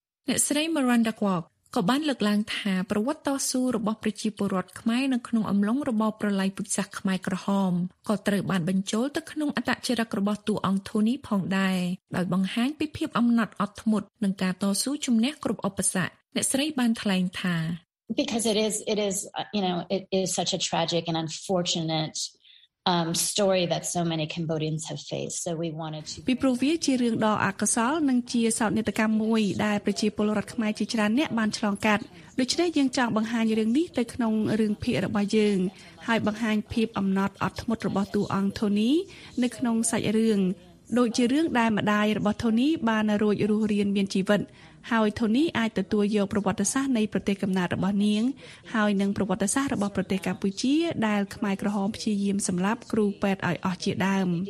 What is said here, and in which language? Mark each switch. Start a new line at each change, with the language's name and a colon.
Khmer: អ្នកស្រី Miranda Kwok ក៏បានលើកឡើងថាប្រវត្តិតស៊ូរបស់ប្រជាពលរដ្ឋខ្មែរនៅក្នុងអំឡុងរបបប្រល័យពូជសាសន៍ខ្មែរក្រហមក៏ត្រូវបានបញ្ចូលទៅក្នុងអត្តចរិតរបស់តួអង្គ Tony ផងដែរដោយបង្ហាញពីភាពអំណត់អត់ធ្មត់និងការតស៊ូជំនះគ្រប់ឧបសគ្គអ្នកស្រីបានថ្លែងថា
English: Because it is such a tragic and unfortunate story that so many Cambodians have faced. So we wanted to
Khmer: ពីព្រោះវាជារឿងដ៏អកុសលនិងជាសោកនាដកម្មមួយដែលប្រជាពលរដ្ឋខ្មែរជាច្រើនអ្នកបានឆ្លងកាត់ដូច្នេះយើងចង់បង្ហាញរឿងនេះទៅក្នុងរឿងភាគរបស់យើងហើយបង្ហាញភាពអំណត់អត់ធ្មត់របស់តួអង្គថូនីនៅក្នុងសាច់រឿងដូចជារឿងដែលម្ដាយរបស់ថូនីបានរួចរស់រានមានជីវិតហើយថូនីអាចទទួលយកប្រវត្តិសាស្ត្រនៃប្រទេសកំណើតរបស់នាងហើយនិងប្រវត្តិសាស្ត្ររបស់ប្រទេសកម្ពុជាដែលខ្មែរក្រហមព្យាយាមសម្លាប់គ្រូពេទ្យឲ្យអស់ជាដើម